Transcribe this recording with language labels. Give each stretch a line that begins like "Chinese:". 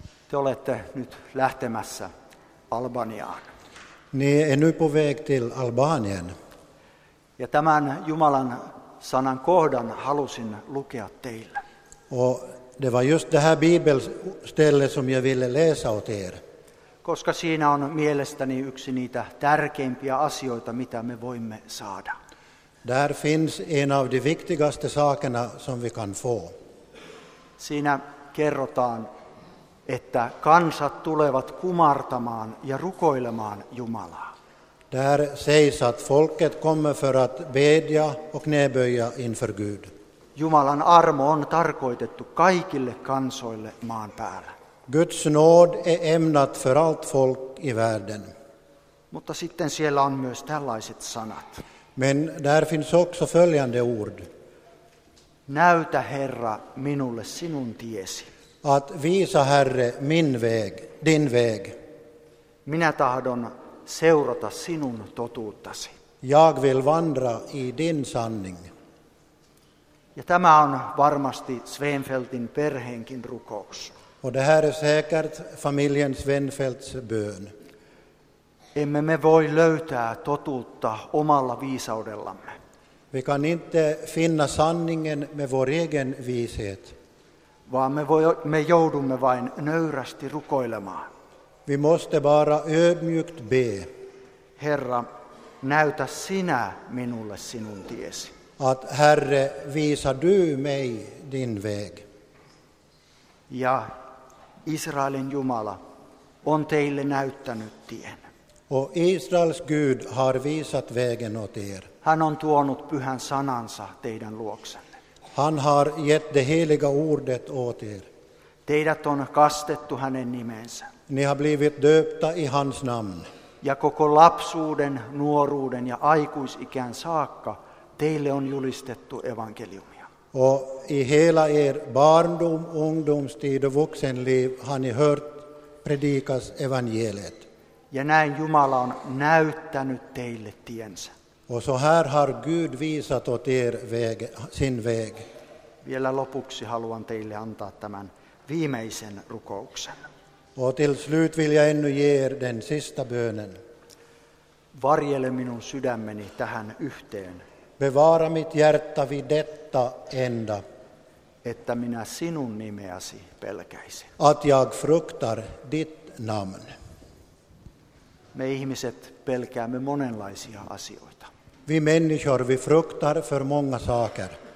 Finnish: Te olette nyt lähtemässä Albaniaan.
Swedish: Ni är nu på väg till Albanien.
Finnish: Ja tämän Jumalan sanan kohdan halusin lukea teille.
Swedish: Och det var just det här bibelstället som jag ville läsa åt er.
Finnish: Koska siinä on mielestäni yksi niitä tärkeimpiä asioita, mitä me voimme saada.
Swedish: Där finns en av de viktigaste sakerna som vi kan få.
Finnish: Siinä kerrotaan, että kansat tulevat kumartamaan ja rukoilemaan Jumalaa.
Swedish: Där sägs att folket kommer för att bedja och knäböja inför Gud.
Finnish: Jumalan armo on tarkoitettu kaikille kansoille maan päällä.
Swedish: Guds nåd är ämnat för allt folk i världen.
Finnish: Mutta sitten siellä on myös tällaiset sanat.
Swedish: Men där finns också följande ord.
Finnish: Näytä Herra minulle sinun tiesi.
Swedish: Att visa Herre min väg, din väg.
Finnish: Minä tahdon seurata sinun totuuttasi.
Swedish: Jag vill vandra i din sanning.
Finnish: Ja tämä on varmasti Svenfeltin perheenkin rukous.
Swedish: Och det här är säkert familjen Svenfelts bön.
Finnish: Emme me voi löytää totuutta omalla viisaudellamme.
Swedish: Vi kan inte finna sanningen med vår egen vishet.
Finnish: Vaan me joudumme vain nöyrästi rukoilemaan.
Swedish: Vi måste bara ödmjukt be.
Finnish: Herra, näytä sinä minulle sinun tiesi.
Swedish: Att Herre, visa du mig din väg.
Finnish: Ja Israelin Jumala on teille näyttänyt tien.
Swedish: Och Israels Gud har visat vägen åt er.
Finnish: Hän on tuonut pyhän sanansa teidän luoksenne.
Swedish: Han har gett det heliga ordet åt er.
Finnish: Teidät on kastettu hänen nimensä.
Swedish: Ni har blivit döpta i hans namn.
Finnish: Ja koko lapsuuden, nuoruuden ja aikuisikään saakka teille on julistettu evankeliumia.
Swedish: Och i hela er barndom, ungdomstid och vuxenliv har ni hört predikas evangeliet.
Finnish: Ja näin Jumala on näyttänyt teille tiensä.
Swedish: Och så här har Gud visat åt er väg, sin väg.
Finnish: Vielä lopuksi haluan teille antaa tämän viimeisen rukouksen.
Swedish: Och till slut vill jag ännu ge er den sista bönen.
Finnish: Varjele minun sydämeni tähän yhteen.
Swedish: Bevara mitt hjärta vid detta enda.
Finnish: Että minä sinun nimeäsi pelkäisin.
Swedish: Att jag fruktar ditt namn.
Finnish: Me ihmiset pelkäämme monenlaisia asioita.
Swedish: Vi människor, vi fruktar för många saker.